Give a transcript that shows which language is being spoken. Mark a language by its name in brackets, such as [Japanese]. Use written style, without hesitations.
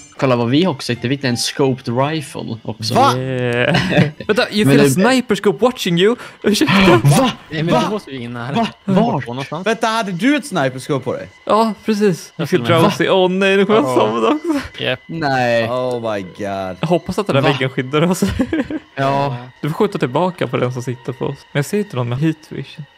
[Swedish] Kolla vad vi också hittade. Vi hittade en scoped rifle också. Va? Yeah. Vänta, [English] you feel a sniper scope watching you. [Swedish] Ursäkta. Va? Va? Nej, men måste vi in här. Var? Vänta, hade du ett sniper scope på dig? Ja, precis. Jag [English] feel drowsy. [Swedish] Åh nej, nu kommer jag samma dag också. [English] Yep. [Swedish] Nej. [English] Oh my god. [Swedish] Jag hoppas att den där väggen skyddar oss. Ja. Du får skjuta tillbaka på den som sitter på oss. Men jag ser inte någon med heat vision.